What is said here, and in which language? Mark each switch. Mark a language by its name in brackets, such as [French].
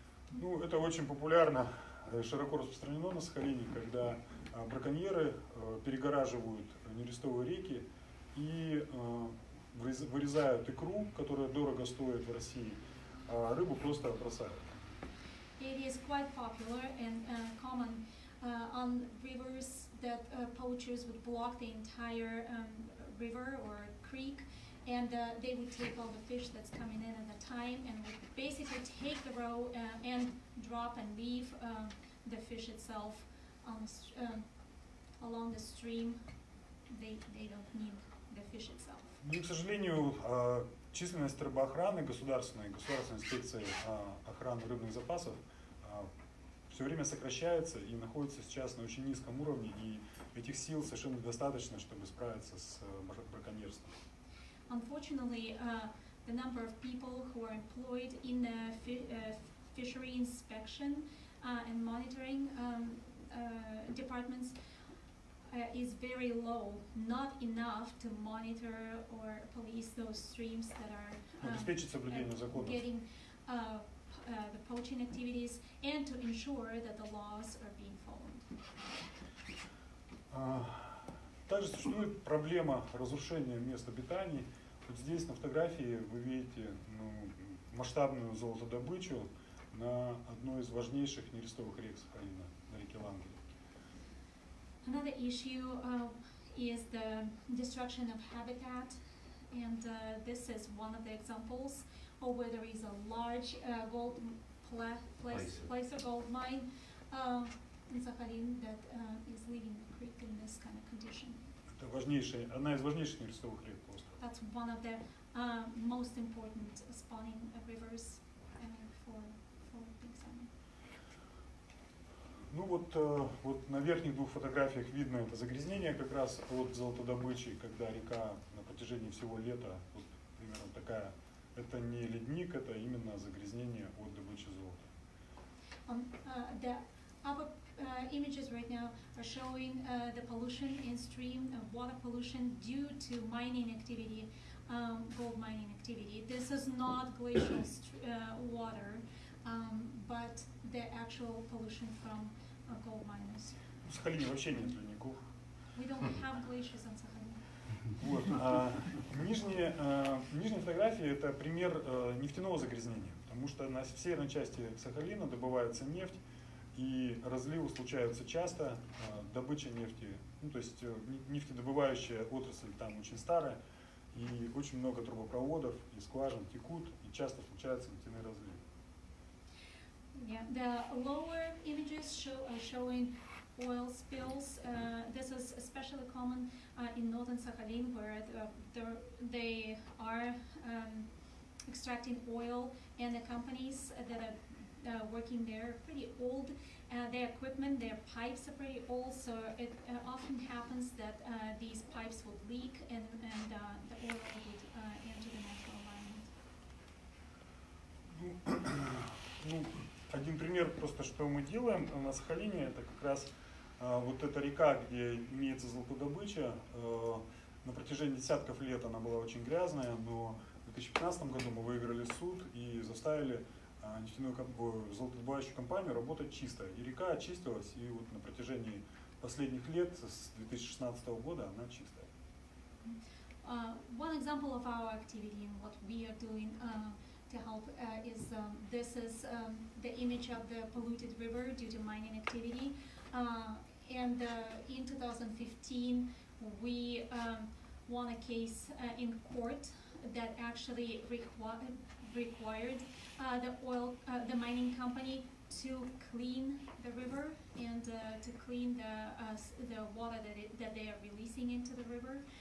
[Russian] Ну, это очень популярно, широко распространено на Сахалине, когда браконьеры перегораживают нерестовые реки и вырезают икру, которая дорого стоит в России, а рыбу просто бросают. [English] It is quite popular and common on rivers that poachers would block the entire river or creek And they would take all the fish that's coming in at a time and would basically take the row and drop and leave the fish itself on along the stream. They don't need the fish itself. [Russian] Ну, к сожалению, численность рыбоохраны государственной, государственной инспекции охраны рыбных запасов все время сокращается и находится сейчас на очень низком уровне, и этих сил совершенно недостаточно, чтобы справиться с браконьерством. [English] Unfortunately, the number of people who are employed in the fishery inspection and monitoring departments is very low, not enough to monitor or police those streams that are getting the poaching activities and to ensure that the laws are being followed. [Russian] Также существует проблема разрушения мест обитаний. Вот здесь на фотографии вы видите масштабную золотодобычу на одной из важнейших нерестовых рек Сахалина, на реке Лангере. [English] Another issue is the destruction of habitat, and this is one of the examples of where there is a large gold placer gold mine in Sakhalin that is leaving the creek in this kind of condition. [Russian] Это важнейшая, одна из важнейших нерестовых рек острова. [English] That's one of the most important spawning rivers for big salmon. [Russian] Ну вот, вот на верхних двух фотографиях видно это загрязнение как раз от золотодобычи, когда река на протяжении всего лета вот примерно такая. Это не ледник, это именно загрязнение от добычи золота. [English] The upper images right now are showing the pollution in stream, water pollution due to mining activity, gold mining activity. This is not glacial water. But the actual pollution from gold miners. [Russian] В Сахалине вообще нет ледников. [English] We don't have glaciers on Sakhalin. [Russian] Вот. Нижняя фотография – это пример нефтяного загрязнения, потому что на северной части Сахалина добывается нефть, и разливы случаются часто, добыча нефти, ну, то есть нефтедобывающая отрасль там очень старая, и очень много трубопроводов и скважин текут, и часто случаются нефтяные разливы. [English] Yeah, the lower images are showing oil spills. This is especially common in northern Sakhalin, where they are extracting oil, and the companies that are working there are pretty old. Their equipment, their pipes are pretty old, so it often happens that these pipes would leak and the oil would enter the natural environment. [Russian] Один пример просто, что мы делаем на Сахалине, это как раз вот эта река, где имеется золотодобыча. На протяжении десятков лет она была очень грязная, но в 2015 году мы выиграли суд и заставили нефтяную золотодобывающую компанию работать чисто. И река очистилась, и вот на протяжении последних лет, с 2016 года, она чистая. [English] One example of our activity and what we are doing to help is this is the image of the polluted river due to mining activity. And in 2015, we won a case in court that actually required the mining company to clean the river and to clean the water that they are releasing into the river.